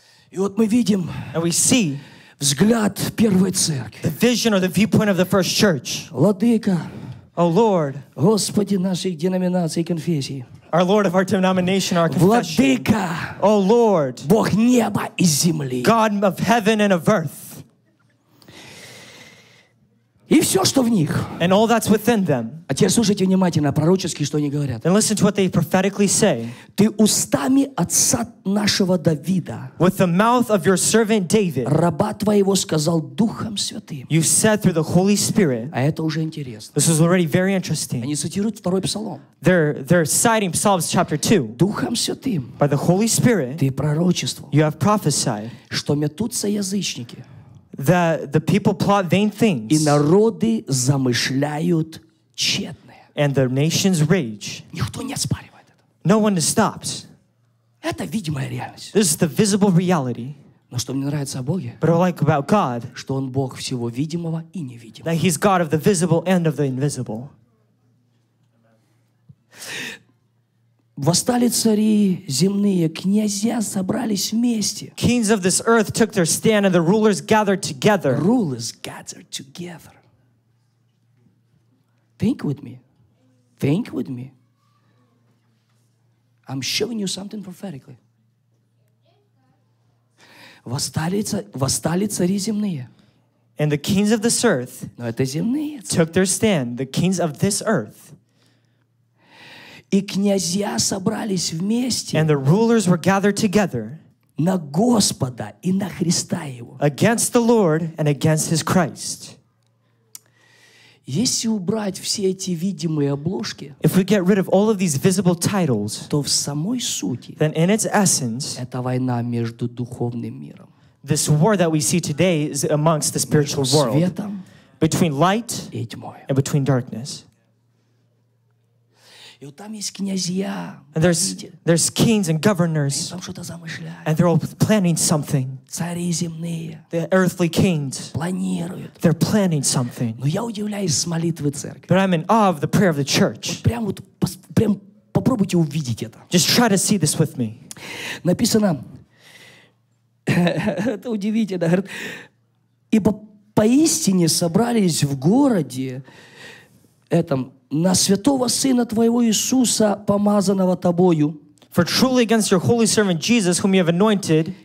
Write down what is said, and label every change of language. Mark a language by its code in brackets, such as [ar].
[ru] И вот мы видим взгляд первой церкви. [en] The vision or the viewpoint of the first church. [ru] Владыка. [en] О, Lord. [ru] Господи наших деноминаций и конфессий. [en] Our Lord of our denomination, our confession. [ru] Владыка. [en] О, Lord. [ru] Бог неба и земли. [en] God of heaven and of earth. [ru] И все, что в них. [en] And all that's within them. [ru] А теперь слушайте внимательно, пророчески, что они говорят. [en] And listen to what they prophetically say. [ru] Ты устами отца нашего Давида. [en] With the mouth of your servant David. [ru] Раба твоего сказал Духом Святым. [en] You said through the Holy Spirit. [ru] А это уже интересно. [en] This is already very interesting. [ru] Они цитируют второй псалом. [en] They're citing Psalms chapter 2. [ru] Духом Святым. [en] By the Holy Spirit. [ru] Ты пророчествовал. [en] You have prophesied. [ru] Что метутся язычники. [en] That the people plot vain things. [ru] И народы замышляют тщетное. [en] And the nations rage. [ru] Никто не оспаривает это. [en] No one stops. [ru] Это видимая реальность. [en] This is the visible reality. [ru] Но что мне нравится о Боге? [en] But I like about God. [ru] Что он Бог всего видимого и невидимого. [en] That he's God of the visible and of the invisible. [ru] Восстали цари земные, князья собрались вместе. [en] Kings of this earth took their stand and the rulers gathered together. Rulers gathered together. Think with me. Think with me. I'm showing you something prophetically. [ru] Восстали цари земные. [en] And the kings of this earth [ru] Но это земные цари. [en] Took their stand, the kings of this earth. [ru] И князья собрались вместе. [en] And the rulers were gathered together. [ru] На Господа и на Христа Его. [en] Against the Lord and against His Christ. [ru] Если убрать все эти видимые обложки, [en] if we get rid of all of these visible titles, [ru] то в самой сути, [en] then in its essence, [ru] это война между духовным миром. [en] This war that we see today is amongst the spiritual world. [ru] Между светом [en] between light [ru] и тьмой. [en] And between darkness. [ru] И вот там есть князья. [en] And there's kings and governors. [ru] Они там что-то замышляют. [en] And they're all planning something. [ru] Цари земные. [en] The earthly kings. [ru] Планируют. [en] They're planning something. [ru] Но я удивляюсь с молитвы церкви. [en] But I'm in awe of the prayer of the church. [ru] Вот прям вот, прям попробуйте увидеть это. [en] Just try to see this with me. [ru] Написано, это удивительно. Говорит, ибо поистине собрались в городе этом на святого Сына Твоего Иисуса, помазанного Тобою. [en] For truly against your holy servant Jesus, whom you have anointed,